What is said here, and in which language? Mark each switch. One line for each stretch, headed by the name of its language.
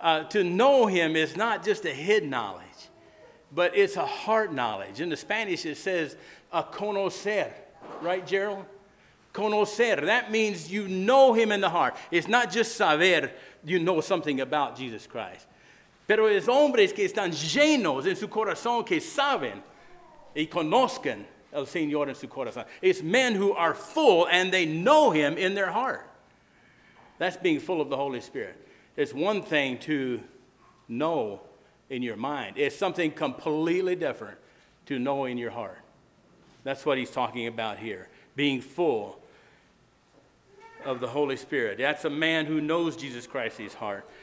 English: To know him is not just a head knowledge, but it's a heart knowledge. In the Spanish it says, a conocer. Right, Gerald? Conocer. That means you know him in the heart. It's not just saber, you know something about Jesus Christ.
Spanish: Pero es hombres que están llenos en su corazón que saben y conozcan el Señor en su corazón.
English: It's men who are full and they know him in their heart. That's being full of the Holy Spirit. It's one thing to know in your mind. It's something completely different to know in your heart. That's what he's talking about here, being full of the Holy Spirit. That's a man who knows Jesus Christ in his heart.